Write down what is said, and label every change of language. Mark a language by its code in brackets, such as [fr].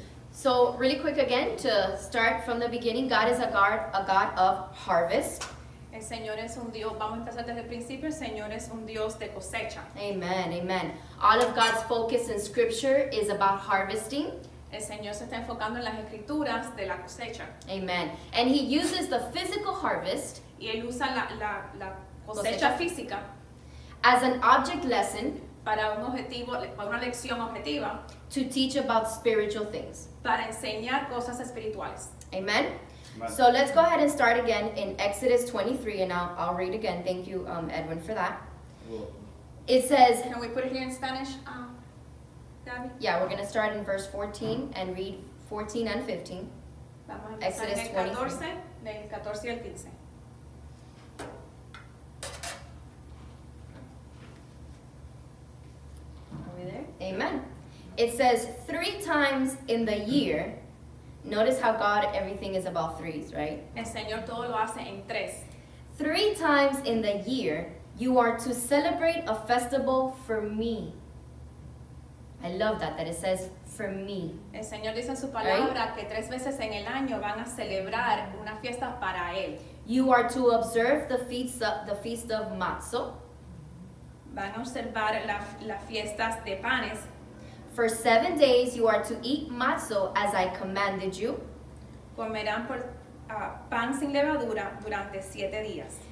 [en] So really quick again, to start from the beginning, God is a God of harvest. [es] El Señor es un Dios, vamos a empezar desde el principio, el Señor es un Dios de cosecha. [en] Amen, amen. All of God's focus in Scripture is about harvesting. [es] El Señor se está enfocando en las escrituras de la cosecha. [en] Amen. And He uses the physical harvest. [es] Y Él usa la cosecha física. [en] As an object lesson. [es] Para un objetivo, para una lección objetiva. [en] To teach about spiritual things. [es] Para enseñar cosas espirituales. [en] Amen. So let's go ahead and start again in Exodus 23, and I'll read again. Thank you, Edwin, for that. It says... Can we put it here in Spanish, Gabby? Yeah, we're going to start in verse 14 and read 14 and 15. Exodus 23. Are we there? Amen. It says, 3 times in the year... Notice how God, everything is about threes, right? [es] El Señor todo lo hace en tres. [en] 3 times in the year, you are to celebrate a festival for me. I love that it says for me. [es] El Señor dice en su palabra, right? Que 3 veces en el año van a celebrar una fiesta para él. [en] You are to observe the feast of Matzo. [es] Van a observar las fiestas de panes. [en] For 7 days, you are to eat matzo as I commanded you. [es] Comerán por pan sin levadura durante 7 días.